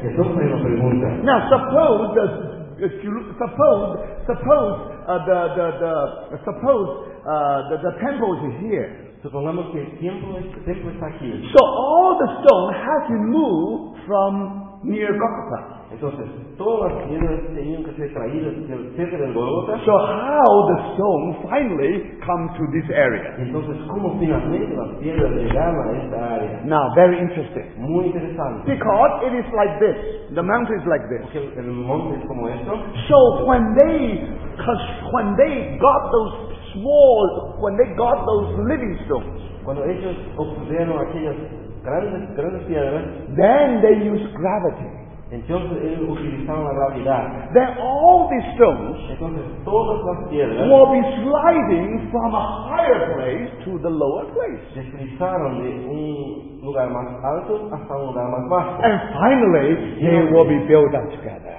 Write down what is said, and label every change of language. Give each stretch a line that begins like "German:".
Spanish: Entonces hay una pregunta.
English: Now suppose the temple is here.
Spanish: Supongamos que el templo está aquí.
English: So all the stones have to move from near Golgotha.
Spanish: Entonces, todas las piedras tenían que ser traídas del cerca del Golgotha.
English: So how the stone finally come to this area?
Spanish: Entonces, ¿cómo finalmente las piedras llegaron a esta área?
English: Now, very interesting.
Spanish: Muy interesante.
English: Because it is like this. The mountain is like this.
Spanish: Porque el monte es como esto.
English: So when they got those living stones,
Spanish: cuando ellos obtuvieron aquellas grandes piedras,
English: then they used gravity.
Spanish: Entonces ellos utilizaron la gravedad.
English: Then all these stones,
Spanish: entonces todas las piedras,
English: will be sliding from a higher place to the lower place.
Spanish: Deslizaron de un lugar más alto hasta un lugar más bajo.
English: And finally, they will be built up together.